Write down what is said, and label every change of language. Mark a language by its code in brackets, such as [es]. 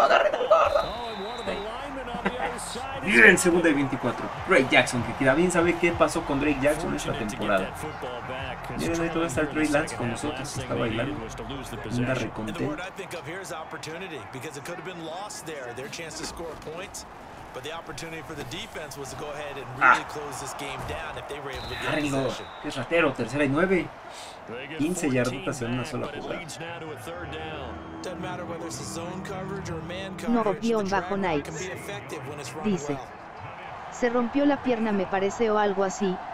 [en] Oh, and one of the linemen on the other [es] Giants. Líder en segunda y 24. Drake Jackson, que bien sabe qué pasó con Drake Jackson esta temporada. Miren, ahí todo está el Trey Lance con nosotros, está bailando. Una recompensa. [en] But the opportunity for the defense was to go ahead and really close this game down if they were able to get the possession. [es] Qué ratero, tercera y nueve. 15 yarditas en una sola jugada. [en] Doesn't matter whether it's a zone coverage or man coverage. [es] Dice. Se rompió la pierna, me parece, o algo así.